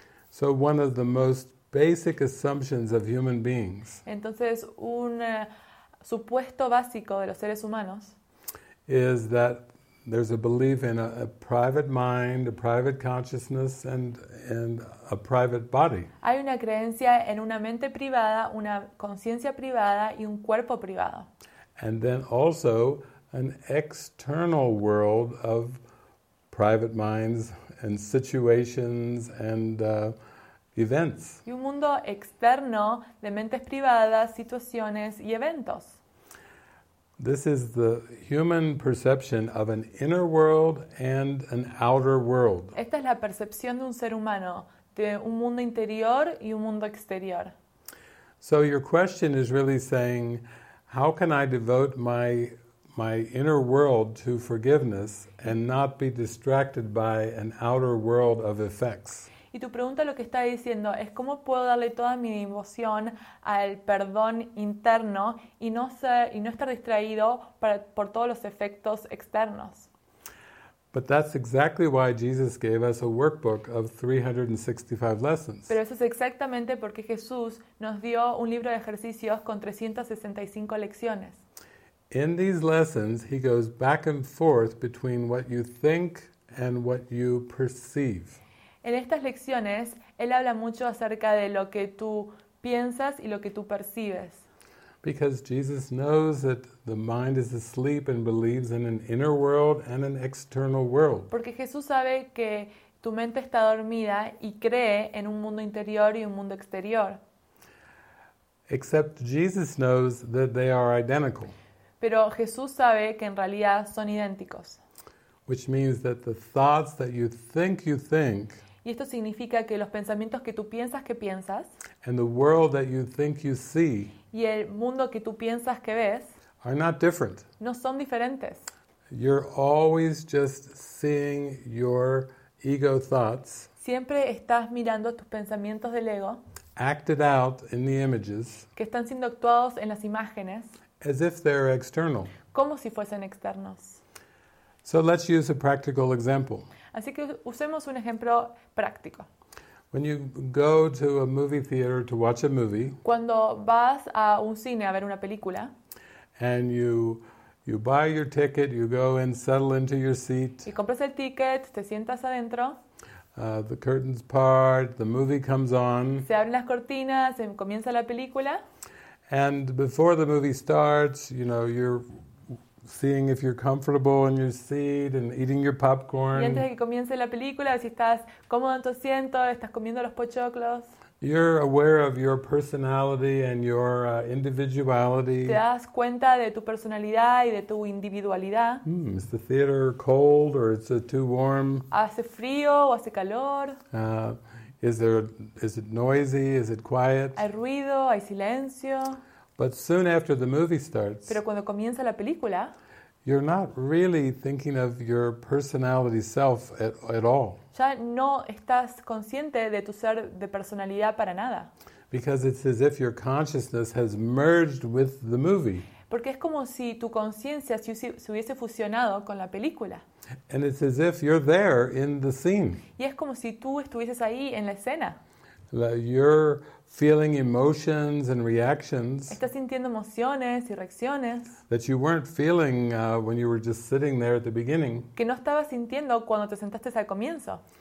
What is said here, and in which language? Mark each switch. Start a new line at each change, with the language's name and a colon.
English: So one of the most basic assumptions of human beings.
Spanish: Entonces, un supuesto básico de los seres humanos
English: is that there's a belief in a private mind, a private consciousness, and a private body.
Spanish: Hay una creencia en una mente privada, una conciencia privada y un cuerpo privado.
English: And then also an external world of private minds and situations and events.
Spanish: Y un mundo externo de mentes privadas, situaciones y eventos.
English: This is the human perception of an inner world and an outer world.
Spanish: Esta es la percepción de un ser humano, de un mundo interior y un mundo exterior.
English: So your question is really saying, how can I devote my inner world to forgiveness and not be distracted by an outer world of effects?
Spanish: Y tu pregunta lo que está diciendo es cómo puedo darle toda mi devoción al perdón interno y no estar distraído por todos los efectos externos.
English: But that's exactly why Jesus gave us a workbook of 365 lessons.
Spanish: Pero eso es exactamente porque Jesús nos dio un libro de ejercicios con 365 lecciones.
English: In these lessons, he goes back and forth between what you think and what you perceive.
Spanish: En estas lecciones, él habla mucho acerca de lo que tú piensas y lo que tú percibes.
English: Because Jesus knows that the mind is asleep and believes in an inner world and an external world.
Spanish: Porque Jesús sabe que tu mente está dormida y cree en un mundo interior y un mundo exterior.
English: Except Jesus knows that they are identical.
Spanish: Pero Jesús sabe que en realidad son idénticos.
English: Which means that the thoughts that you think
Spanish: y esto significa que los pensamientos que tú piensas que piensas
English: and the world that you think you see
Spanish: y el mundo que tú piensas que ves
English: are not different.
Spanish: No son diferentes.
English: You're always just seeing your ego thoughts.
Spanish: Siempre estás mirando tus pensamientos del ego
English: acted out in the images
Spanish: que están siendo actuados en las imágenes
English: as if they're external.
Spanish: Como si fuesen externos.
English: So let's use a practical example.
Spanish: Así que usemos un ejemplo práctico.
English: When you go to a movie theater to watch a movie,
Spanish: cuando vas a un cine a ver una película,
English: and you buy your ticket, you go and settle into your seat,
Spanish: y compras el ticket, te sientas adentro,
English: the curtains part, the movie comes on,
Spanish: se abren las cortinas, se comienza la película,
English: and before the movie starts, you know, you're seeing if you're comfortable in your seat and eating your popcorn.
Spanish: Y antes de que comience la película, si estás cómodo en tu asiento, estás comiendo los pochoclos.
English: You're aware of your personality and your individuality.
Spanish: Te das cuenta de tu personalidad y de tu individualidad.
English: Is the theater cold or is it too warm?
Spanish: ¿Hace frío o hace calor?
English: Is it noisy? Is it quiet?
Spanish: ¿Hay ruido? ¿Hay silencio?
English: But soon after the movie starts,
Spanish: pero cuando comienza la película,
English: you're not really thinking of your personality self at all.
Spanish: Ya no estás consciente de tu ser de personalidad para nada.
English: Because it's as if your consciousness has merged with the movie.
Spanish: Porque es como si tu conciencia se hubiese fusionado con la película.
English: And it's as if you're there in the scene.
Spanish: Y es como si tú estuvieses ahí en la escena.
English: You're feeling emotions and reactions.
Spanish: Estás sintiendo emociones y reacciones.
English: That you weren't feeling when you were just sitting there at the beginning.
Spanish: Que no estabas sintiendo cuando te sentaste al comienzo.